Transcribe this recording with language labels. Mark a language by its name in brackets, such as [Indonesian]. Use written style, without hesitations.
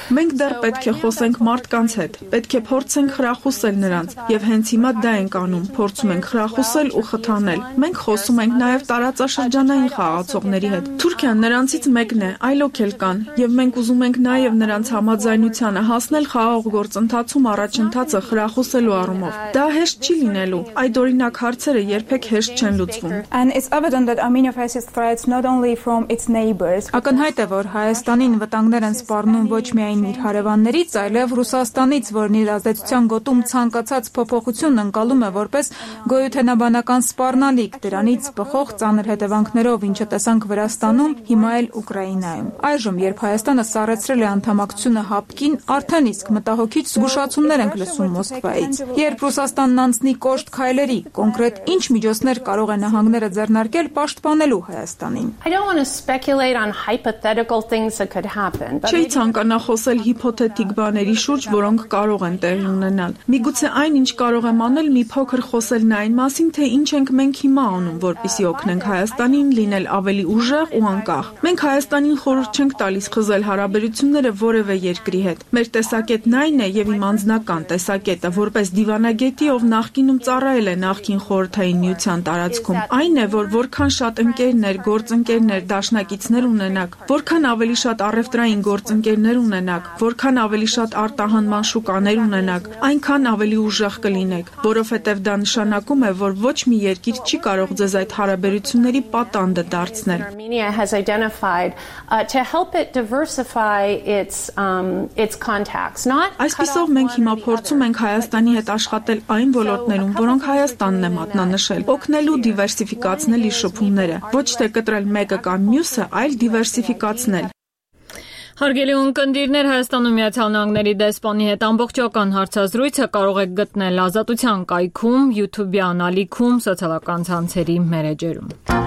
[Armenian] Մենք դեռ պետք է խոսենք մարդկանց հետ, պետք է փորձենք խրախուսել նրանց, եւ հենց հիմա դա ենք անում, փորձում ենք խրախուսել ու խթանել։ Մենք խոսում ենք նաեւ տարածաշրջանային խաղացողների հետ։ Թուրքիան նրանցից մեկն է, այլոք էլ կան, եւ մենք ուզում ենք նաեւ նրանց համաձայնությանը հասնել խաղաղ գործընթացում առաջընթացը խրախուսելու առումով։ Դա հեշտ չի լինելու, այդ օրինակ հարցերը երբեք հեշտ չեն լուծվում։ [English] And it's evident that Armenia faces threats not only from its neighbors. [Armenian] Ակնհայտ է, որ Հայաստանին վտանգներ են սպառնում ոչ միայն իր հարևաններից, այլև Ռուսաստանից, որն իր ազդեցության գոտում ցանկացած փոփոխություն ընկալում է որպես գոյութենաբանական սպառնալիք, դրանից բխող ծանր հետևանքներով, ինչը տեսանք Վրաստանում, հիմա էլ Ուկրաինայում։ Այժմ, երբ Հայաստանը սառեցրել է անդամակցությունը ՀԱՊԿ-ին, արդեն իսկ մտահոգիչ զգուշացումներ ենք լսում Մոսկվայից։ Երբ Ռուսաստանն անցնի կոշտ քայլերի, կոնկրետ ինչ միջոցներ կարող է նահանգները ձեռնարկել պաշտպանելու Հայաստանին։ [English] I don't want to speculate on hypothetical things that could happen, but [Armenian] չի ցանկանա խոսել հիպոթետիկ բաների շուրջ, որոնք կարող են տեղի ունենալ։ Միգուցե այն, ինչ կարող եմ անել, մի փոքր խոսել նաև այն մասին, թե ինչ ենք մենք հիմա անում, որպեսզի օգնենք Հայաստանին լինել ավելի ուժեղ ու անկախ։ Մենք Հայաստանին խորհուրդ չենք տալիս խզել հարաբերությունները որևէ երկրի հետ։ Մեր տեսակետն այն է, եւ իմ անձնական տեսակետը, որպես դիվանագետի, ով նախկինում ծառայել է նախկին խորհրդային միության տարածքում, այն է, որ որքան շատ ընկերներ, գործընկերներ, դաշնակիցներ ունենաք, որքան ավելի շատ առևտրային գործընկերներ ունենաք, որքան ավելի շատ արտահանման շուկաներ ունենաք, այնքան ավելի ուժեղ կլինեք, որովհետև դա նշանակում է, որ ոչ մի երկիր չի կարող ձեզ այդ հարաբերությունների պատանդը դարձնել։ [English] Armenia has identified to help it diversify its contacts, not [Armenian] Այսպիսով մենք հիմա փորձում ենք Հայաստանի հետ աշխատել այն ոլորտներում, որոնք Հայաստանն է մատնանշել, օգնելու դիվերսիֆիկացնել շփումները, ոչ թե կտրել մեկը կամ մյուսը, այլ դիվերսիֆիկացնել։ Հարգելի ունկնդիրներ, Հայաստանում Միացյալ Նահանգների դեսպանի հետ ամբողջական հարցազրույցը կարող եք գտնել Ազատության կայքում, YouTube-ի անալիքում, սոցիալական ցանցերի մեր էջերում։